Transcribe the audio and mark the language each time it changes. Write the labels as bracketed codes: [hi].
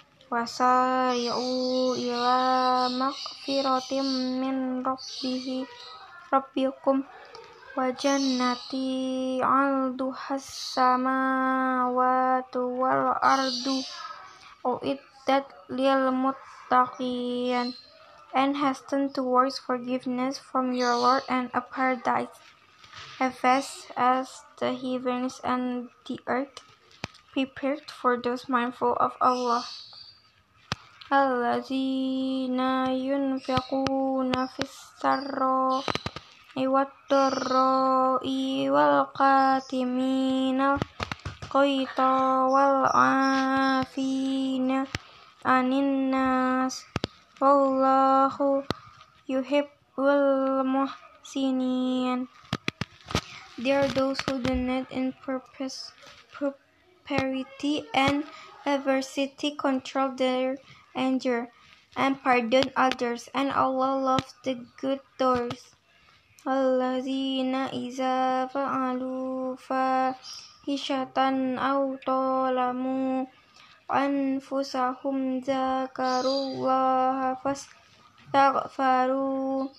[ar] وَسَارِعُوا إِلَى مَغْفِرَةٍ مِّن رَّبِّكُمْ وَجَنَّةِ عَرْضُهَا السَّمَاوَاتُ وَالْأَرْضُ أُعِدَّتْ لِلْمُتَّقِينَ. [en] And hasten towards forgiveness from your Lord and a paradise as vast as the heavens and the earth, prepared for those mindful of Allah. [ar] الذين ينفقون في السراء والضراء والقاتمين القيط والعافين عن الناس والله يحب المحسنين. [en] They are those who donate in prosperity and adversity, control their anger, and pardon others, and Allah loves the good doers. [ar] الَّذِينَ إِذَا فَعَلُوا فَاحِشَةً أَوْ ظَلَمُوا أَنفُسَهُمْ ذَكَرُوا اللَّهَ فَاسْتَغْفَرُوا